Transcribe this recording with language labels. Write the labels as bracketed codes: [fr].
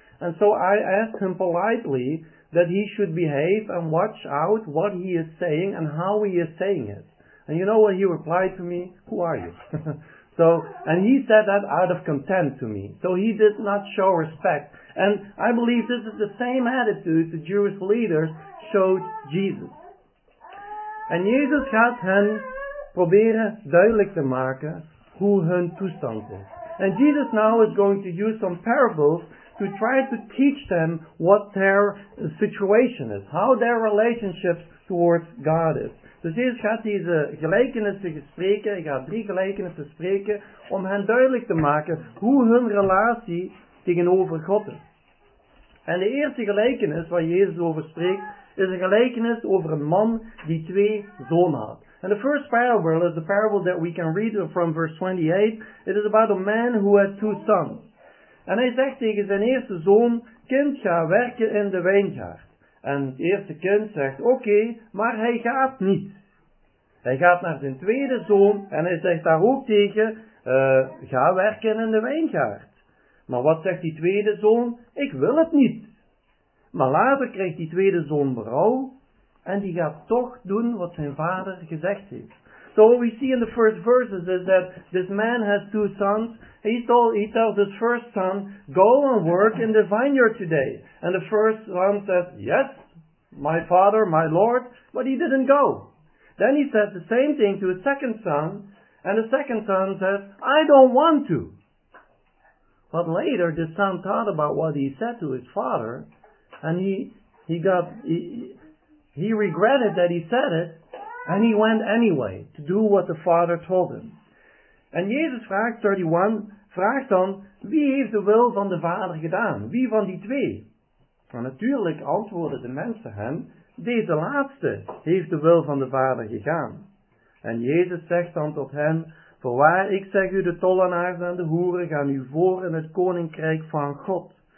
[en] And so I asked him politely that he should behave and watch out what he is saying and how he is saying it. And you know what he replied to me? Who are you? So, and he said that out of contempt to me. So he did not show respect. And I believe this is the same attitude the Jewish leaders showed Jesus. [nl] And Jesus gaat hen proberen duidelijk te maken hoe hun toestand is. [en] And Jesus now is going to use some parables to try to teach them what their situation is, how their relationship towards God is. [nl] Dus Jezus gaat deze gelijkenissen spreken, hij gaat drie gelijkenissen spreken, om hen duidelijk te maken hoe hun relatie tegenover God is. En de eerste gelijkenis waar Jezus over spreekt, is een gelijkenis over een man die twee zonen had. [en] And the first parable is the parable that we can read from verse 28. It is about a man who had two sons. [nl] En hij zegt tegen zijn eerste zoon, kind, ga werken in de wijngaard. En het eerste kind zegt, oké, maar hij gaat niet. Hij gaat naar zijn tweede zoon en hij zegt daar ook tegen, ga werken in de wijngaard. Maar wat zegt die tweede zoon? Ik wil het niet. Maar later krijgt die tweede zoon berouw en die gaat toch doen wat zijn vader gezegd heeft. [en] So what we see in the first verses is that this man has two sons. He tells his first son, go and work in the vineyard today. And the first son says, yes, my father, my lord, but he didn't go. Then he says the same thing to his second son, and the second son says, I don't want to. But later the son thought about what he said to his father, and he regretted that he said it, and he went anyway to do what the father told him. [nl] And Jesus vraagt 31, vraagt dan, wie heeft de wil van de vader gedaan? Wie van die twee? En natuurlijk antwoorden de mensen hem, deze laatste heeft de wil van de vader gegaan. En Jezus zegt dan tot hen, voorwaar ik zeg u, de tollenaars en de hoeren gaan u voor in het koninkrijk van God.